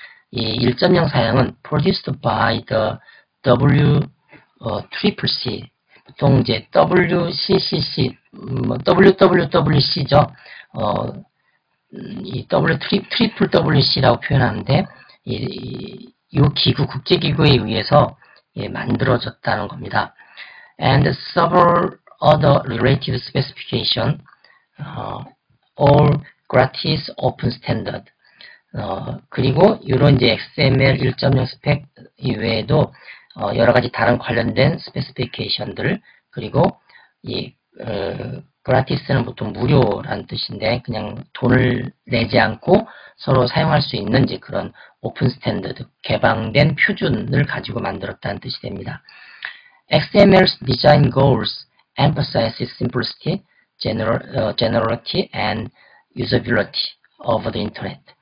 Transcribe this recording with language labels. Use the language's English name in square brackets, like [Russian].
[Korean] 이 1.0 사양은 [English] produced by the [Korean] WCCC, 보통 이제 WCCC, WWWC죠. 이 트리플 WC라고 표현하는데, 이 기구, 국제기구에 의해서 만들어졌다는 겁니다. [English] And several other related specifications, all gratis open standard. [Korean] 그리고 이런 이제 XML 1.0 스펙 이외에도 여러 가지 다른 관련된 스페시피케이션들, 그리고 이 gratis는 보통 무료란 뜻인데, 그냥 돈을 내지 않고 서로 사용할 수 있는 이제 그런 오픈 스탠더드, 개방된 표준을 가지고 만들었다는 뜻이 됩니다. [English] XML's design goals emphasize simplicity, generality, and usability of the internet.